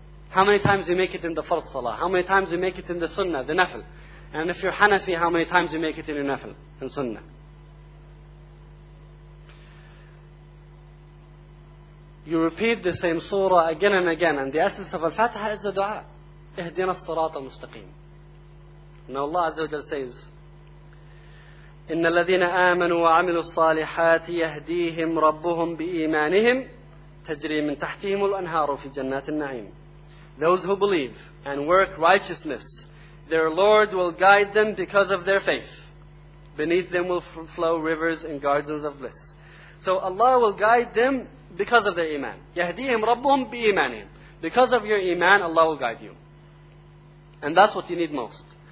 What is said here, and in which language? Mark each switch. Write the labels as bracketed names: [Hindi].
[English] How many times you make it in the fard salah? How many times you make it in the sunnah, the nafil? And if you're Hanafi, how many times you make it in your nafil, in sunnah? You repeat the same surah again and again, and the essence of al-fatiha is the dua. [Arabic] اهدنا الصراط المستقيم. [English] Now Allah Azza wa Jalla says, [Arabic] إن الذين آمنوا وعملوا الصالحات يهديهم ربهم بإيمانهم تجري من تحتهم الأنهار في جنات النعيم. [English] Those who believe and work righteousness, their Lord will guide them because of their faith. Beneath them will flow rivers and gardens of bliss. So Allah will guide them because of their iman. [Arabic] يهديهم ربهم بإيمانهم. [English] Because of your iman, Allah will guide you. And that's what you need most.